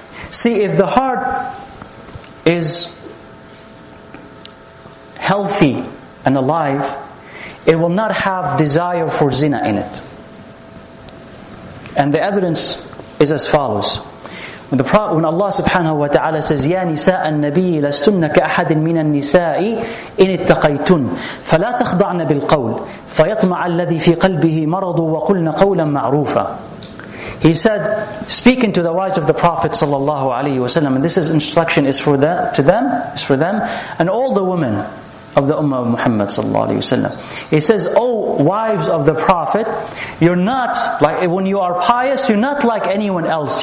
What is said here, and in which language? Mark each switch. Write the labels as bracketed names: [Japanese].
[English] See, if the heart is healthy and alive, it will not have desire for zina in it. And the evidence is as follows. When Allah subhanahu wa ta'ala says, [Arabic] يَا نِسَاءَ النَّبِيِّ لَسْتُنَّ كَأَحَدٍ مِّنَ النِّسَاءِ إِنِ اتَّقَيْتُنْ فَلَا تَخْضَعْنَ بِالْقَوْلِ فَيَطْمَعَ الَّذِي فِي قَلْبِهِ مَرَضُ وَقُلْنَ قَوْلًا مَعْرُوفًا. [English] He said, speaking to the wives of the Prophet sallallahu alayhi wa sallam, and this is instruction is for them, is for them, and all the women of the Ummah of Muhammad sallallahu alayhi wa sallam. He says, O wives of the Prophet, you're not like, when you are pious, you're not like anyone else.